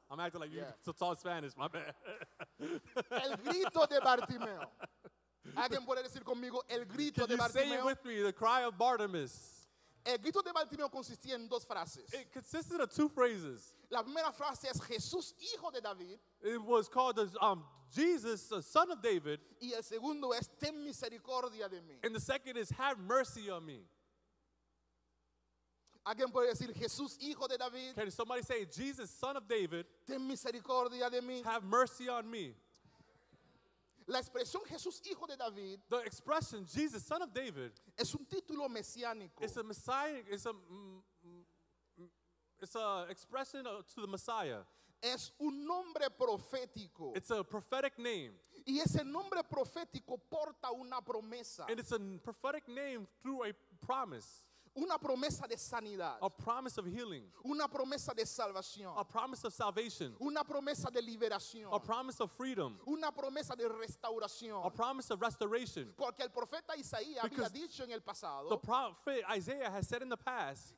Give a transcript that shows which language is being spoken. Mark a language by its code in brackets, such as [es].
[en] I'm acting like you're so tall Spanish, my bad. [es] El grito de Bartimeo. Alguien puede decir conmigo el grito de Bartimeo. [en] Can you say it with me, the cry of Bartimaeus? [es] El grito de Bartimeo consistía en dos frases. [en] It consisted of two phrases. [es] La primera frase es Jesús, hijo de David. [en] It was called Jesus, son of David. [es] Y el segundo es ten misericordia de mí. [en] And the second is have mercy on me. [es] Alguien puede decir Jesús, hijo de David. [en] Can somebody say Jesus, son of David? [es] Ten misericordia de mí. [en] Have mercy on me. [es] La expresión Jesús, hijo de David. [en] The expression Jesus, son of David. [es] Es un título mesiánico. [en] It's a messianic. It's a expression to the Messiah. [es] Es un nombre profético. [en] It's a prophetic name. [es] Y ese nombre profético porta una promesa. [en] And it's a prophetic name through a promise. [es] Una promesa de sanidad. [en] A promise of healing. [es] Una promesa de salvación. [en] A promise of salvation. [es] Una promesa de liberación. [en] A promise of freedom. [es] Una promesa de restauración. [en] A promise of restoration. [es] Porque el profeta Isaías había dicho en el pasado. [en] The prophet Isaiah has said in the past.